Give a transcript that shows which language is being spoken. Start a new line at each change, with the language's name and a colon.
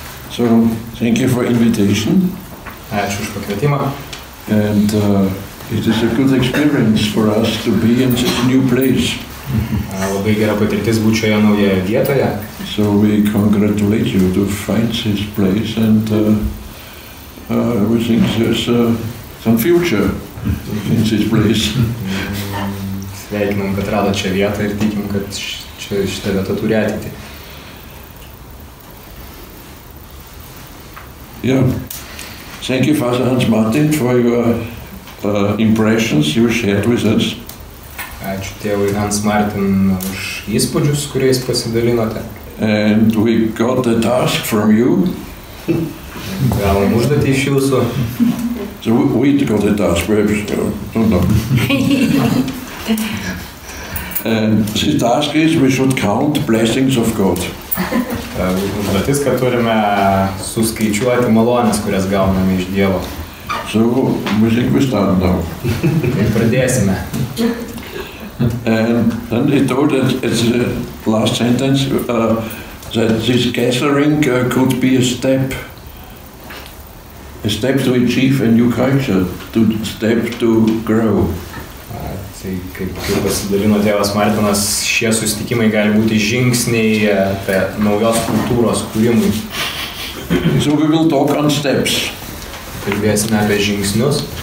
English: So, thank you for invitation.
Lithuanian: Ačiū už pakvietimą.
English: And it is a good experience for us to be in this new place.
Lithuanian: Labai gera patirtis būti šioje naujoje vietoje.
English: So we congratulate you to find this place and we think there's some future in this place.
Lithuanian: Sveikinam, kad rado čia vietą ir tikim, kad šitą vietą turi ateitį.
English: Yeah. Thank you, Father Hans Martin, for your impressions you shared with us.
Lithuanian: Ačiū tėvui Hans Martin už įspūdžius, kuriais pasidalinote.
English: And we got the task from you.
Lithuanian: Gavom užduotį iš jūsų.
English: So we got the task, perhaps, don't know. And the task is we should count blessings of God.
Lithuanian: Užduotis, kad turime suskaičiuoti malonės, kurias gauname iš Dievo.
English: So, we think we start now.
Lithuanian: Ir pradėsime.
English: And then he told that it's the last sentence that this gathering could be a step to achieve a new culture, to step to grow.
Lithuanian: Tai kaip pasidalino tėvas Martinas, šie susitikimai gali būti žingsniai apie naujos kultūros kūrimui.
English: So we will talk on steps.
Lithuanian: Kalbėsime apie žingsnius.